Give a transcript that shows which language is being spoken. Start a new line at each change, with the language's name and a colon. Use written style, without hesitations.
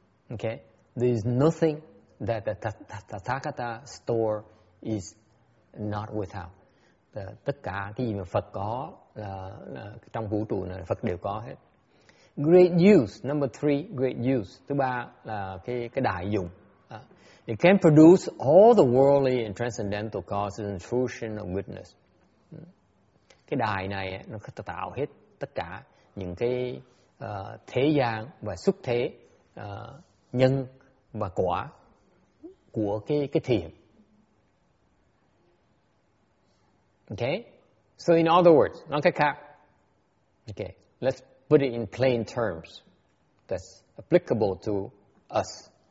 English: Okay, there is nothing that the Tathagata store is not without.
Vietnamese: Tất cả cái gì mà Phật có là trong vũ trụ này Phật đều có hết.
English: Great use, number three, great use.
Vietnamese: Thứ ba là cái đại dụng.
English: It can produce all the worldly and transcendental causes and fruition of goodness.
Vietnamese: Cái đại này nó có thể tạo hết tất cả những cái thế gian và xuất thế, nhân và quả của cái thiện.
English: Okay? So in other words,
Vietnamese: nói cách khác.
English: Okay, let's put it in plain terms that's applicable to us.